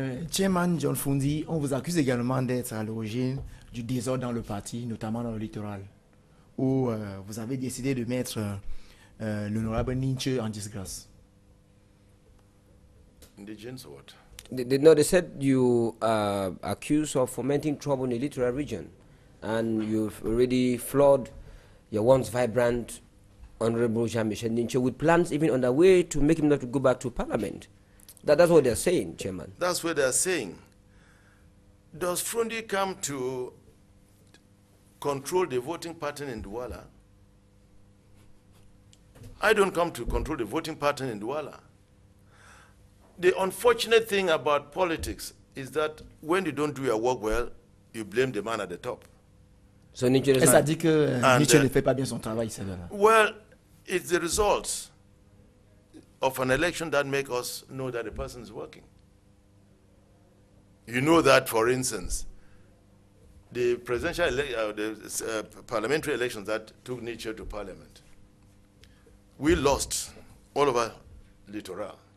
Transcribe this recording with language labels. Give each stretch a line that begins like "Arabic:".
French: Chairman John Frundi, on vous accuse également d'être à l'origine du désordre dans le parti, notamment dans le littoral, où vous avez décidé de mettre l'honorable Ninche en disgrace.
English: Indigenous or what? They said you accused of fomenting trouble in the littoral region, and you've already flawed your once vibrant honorable Jean-Michel Ninche with plans even underway to make him not go back to parliament. That's what they're saying, Chairman. That's what they're saying. Does Frundi come to control the voting pattern in Douala? I don't come to control the voting pattern in Douala. The unfortunate thing about politics is that when you don't do your work well, you blame the man at the top. So Ninche
French: ça dit que Ninche ne fait pas bien son travail, c'est vrai.
English: Well, it's the results of an election that make us know that a person is working. You know that, for instance, the presidential parliamentary elections that took Ninche to parliament, we lost all over Litoral.